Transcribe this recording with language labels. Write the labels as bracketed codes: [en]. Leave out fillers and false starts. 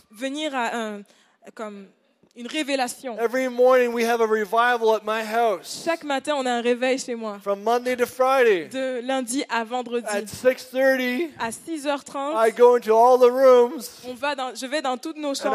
[fr] Venir à comme une révélation. [en] Every morning we have a revival at my house. [fr] Chaque matin on a un réveil chez moi. [en] From Monday to Friday. [fr] De lundi à vendredi. [en] At 6:30. [fr] À 6h30. [en] I go into all the rooms. [fr] Je vais dans toutes nos chambres.